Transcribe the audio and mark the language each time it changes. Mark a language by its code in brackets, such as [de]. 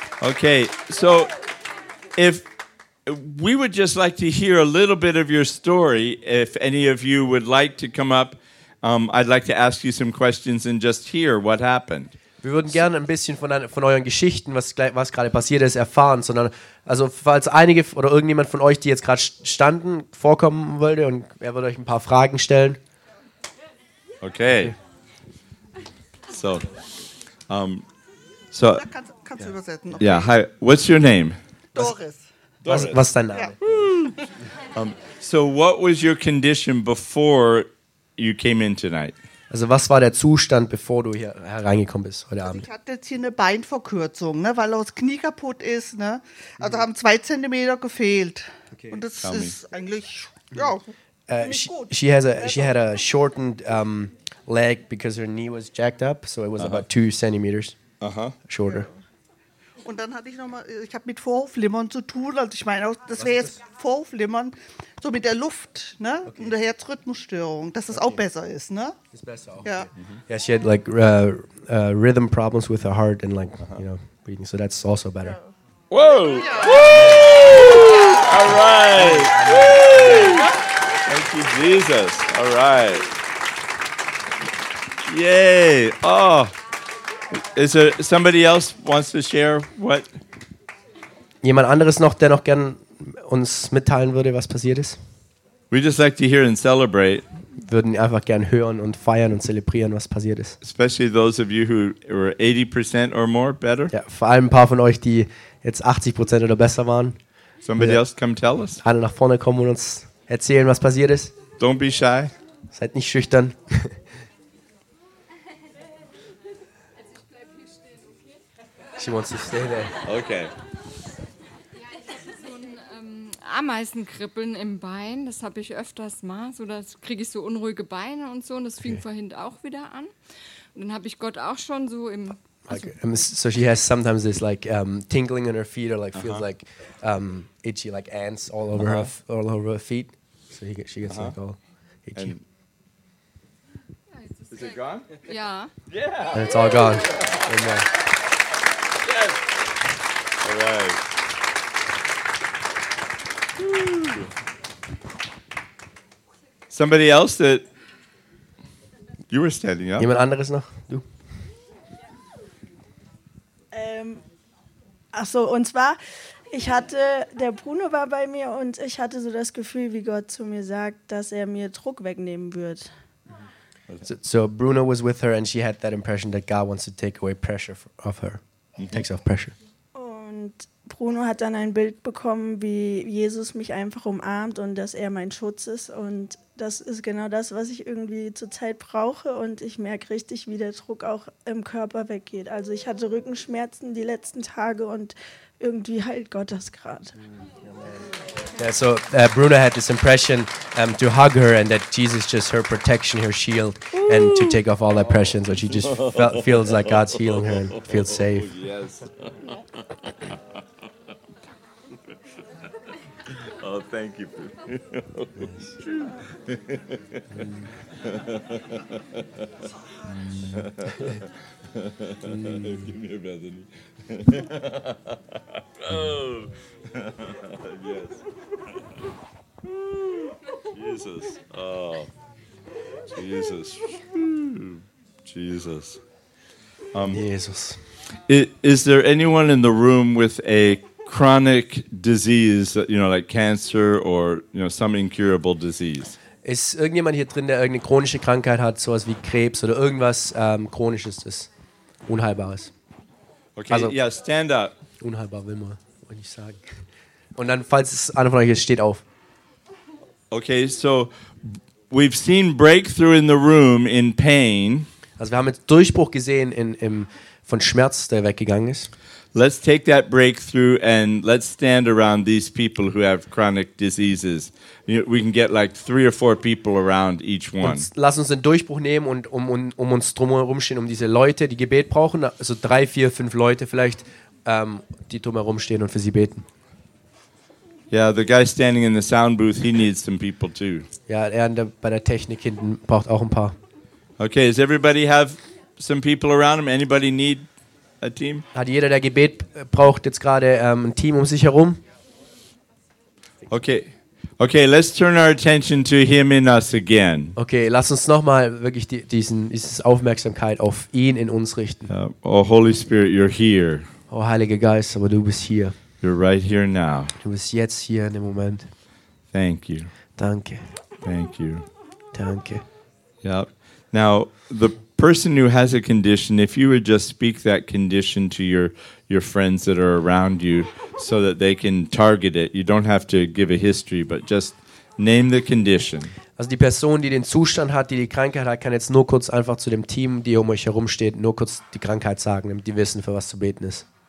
[en] Okay, so if we would just like to hear a little bit of your story. If any of you would like to come up, I'd like to ask you some questions and just hear what happened. [de] Wir würden gerne ein bisschen von euren Geschichten, was gerade passiert ist, erfahren. Sondern also falls einige oder irgendjemand von euch, die jetzt gerade standen, vorkommen wollte und er würde euch ein paar Fragen stellen. [en] Okay. So. So. [de] Kannst du übersetzen? [en] Okay. Yeah. Hi. What's your name? Doris. [de] Was dein Name? [en] Yeah. So what was your condition before you came in tonight? [de] Also was war der Zustand, bevor du hier hereingekommen bist heute Abend? Ich hatte jetzt hier eine Beinverkürzung, ne, weil das Knie kaputt ist. Ne? Also haben 2 Zentimeter gefehlt. Okay. Und das ist eigentlich, ja, nicht gut. [en] She had a shortened leg because her knee was jacked up, so it was about 2 centimeters shorter. Yeah. [de] Und dann hatte ich nochmal, ich habe mit Vorhofflimmern zu tun, also ich meine, das wäre jetzt Vorhofflimmern, so mit der Luft, ne, okay. Und der Herzrhythmusstörung, dass das auch besser ist, ne? Ist besser auch. Ja. Okay. [en] Yeah, she had like rhythm problems with her heart and like, you know, breathing, so that's also better. Yeah. Whoa! Yeah. Woo! All right! Woo! Thank you, Jesus. All right. Yay! Oh! Is there somebody else wants to share what? [de] Jemand anderes noch, der noch gern uns mitteilen würde, was passiert ist? [en] We just like to hear and celebrate. [de] Würden einfach gern hören und feiern und zelebrieren, was passiert ist. [en] Especially those of you who were 80% or more better. [de] Ja, vor allem ein paar von euch, die jetzt 80% oder besser waren. [en] Somebody else come tell us. [de] Alle nach vorne kommen und uns erzählen, was passiert ist. [en] Don't be shy. [de] Seid nicht schüchtern. [en] She wants to stay there. Okay. [de] Ameisenkribbeln im Bein, das habe ich öfters mal, so das kriege ich so unruhige Beine und so, und das fing vorhin auch wieder an. Und dann habe ich Gott auch schon so im. [en] So she has sometimes this like tingling in her feet or like feels like itchy like ants all over her all over her feet. So she gets like all itchy. And is it gone? Yeah. Yeah. And it's all gone. Yeah. Amen. Yes. All right. Somebody else that you were standing up. [de] Jemand anderes noch? Du? Achso, und zwar, ich hatte, der Bruno war bei mir und ich hatte so das Gefühl, wie Gott zu mir sagt, dass er mir Druck wegnehmen wird. [en] So Bruno was with her and she had that impression that God wants to take away pressure off her. He takes off pressure. [de] Und Bruno hat dann ein Bild bekommen, wie Jesus mich einfach umarmt und dass er mein Schutz ist. Und das ist genau das, was ich irgendwie zurzeit brauche. Und ich merke richtig, wie der Druck auch im Körper weggeht. Also ich hatte Rückenschmerzen die letzten Tage und irgendwie heilt Gott das gerade. [en] Yeah, so Bruno had this impression to hug her and that Jesus just her protection, her shield, and to take off all that pressure. So she just feels like God's healing her and feels safe. Yes. Oh, thank you. Give me a Bethany. Oh, yes. Jesus. Oh, Jesus. Jesus. Jesus. Is there anyone in the room with a chronic disease, you know, like cancer or, you know, some incurable disease? [de] Ist irgendjemand hier drin, der irgendeine chronische Krankheit hat, sowas wie Krebs oder irgendwas Chronisches, das Unheilbares? [en] Okay, also, yeah, stand up. [de] Unheilbar will man, wenn ich sage. Und dann, falls es einer von euch ist, steht auf. [en] Okay, so we've seen breakthrough in the room in pain. [de] Also wir haben jetzt Durchbruch gesehen von Schmerz, der weggegangen ist. [en] Let's take that breakthrough and let's stand around these people who have chronic diseases. We can get like 3 or 4 people around each one. [de] Und lass uns den Durchbruch nehmen und um uns drumherum stehen, um diese Leute, die Gebet brauchen, also 3, 4, 5 Leute vielleicht, die drumherum stehen und für sie beten. [en] Yeah, the guy standing in the sound booth, he needs some people too. [de] Ja, er bei der Technik hinten braucht auch ein paar. [en] Okay, does everybody have some people around him? Anybody need a team? [de] Hat jeder, der Gebet braucht, jetzt gerade ein Team um sich herum? [en] Okay, let's turn our attention to him in us again. [de] Okay, lass uns nochmal wirklich dieses Aufmerksamkeit auf ihn in uns richten. [en] Oh, Holy Spirit, you're here. [de] Oh, Heiliger Geist, aber du bist hier. [en] You're right here now. [de] Du bist jetzt hier in dem Moment. [en] Thank you. [de] Danke. [en] Thank you. [de] Danke. [en] Yep. Now, the person who has a condition, if you would just speak that condition to your friends that are around you so that they can target it. You don't have to give a history, but just name the condition. [de] Also die Person, die den Zustand hat, die Krankheit hat, kann jetzt nur kurz einfach zu dem Team, die um euch herum steht, nur kurz die Krankheit sagen, damit die wissen, für was zu beten ist.